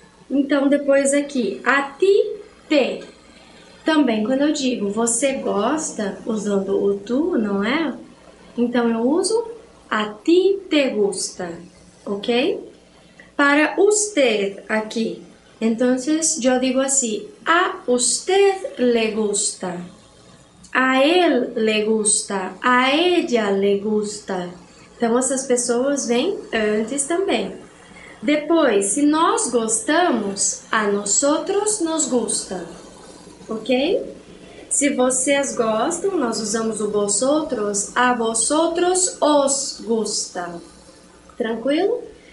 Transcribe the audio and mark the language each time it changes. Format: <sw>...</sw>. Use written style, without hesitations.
<pt>Então depois aqui, a ti te. Também, quando eu digo você gosta, usando o tu, não é? Então, eu uso</pt> <es>a ti te gusta,</es> <pt>ok? Para usted aqui. Então, eu digo assim,</pt> <es>a usted le gusta. A él le gusta, a ella le gusta.</es> <pt>Então essas pessoas vêm antes também. Depois, se nós gostamos,</pt> <es>a nosotros nos gusta,</es> <pt>ok? Se vocês gostam, nós usamos o vosotros,</pt> <es>a vosotros os gusta,</es> <pt>tranquilo?</pt>